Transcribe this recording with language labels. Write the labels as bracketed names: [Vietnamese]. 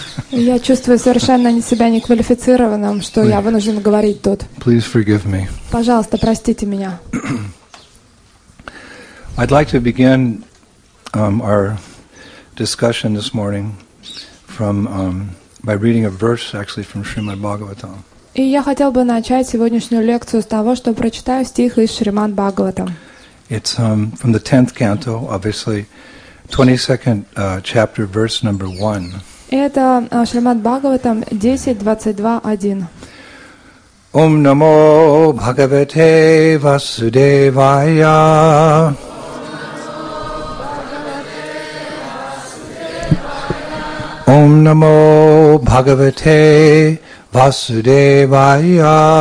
[Russian] Я чувствую совершенно себя неквалифицированным, что я вынужден говорить тут. [English] Please forgive me. [Russian] Пожалуйста, простите меня. [English] I'd like to begin our discussion this morning from by reading a verse actually from Srimad Bhagavatam. [Russian] И я хотел бы начать сегодняшнюю лекцию с того, что прочитаю стих из Шримад Бхагаватам. [English] It's from the 10th canto, obviously 22nd chapter, verse number 1. [Russian] Это Шримад Бхагаватам 10.22.1. [Sanskrit] Ом намо Бхагавате Васудевая. Ом намо Бхагавате Васудевая.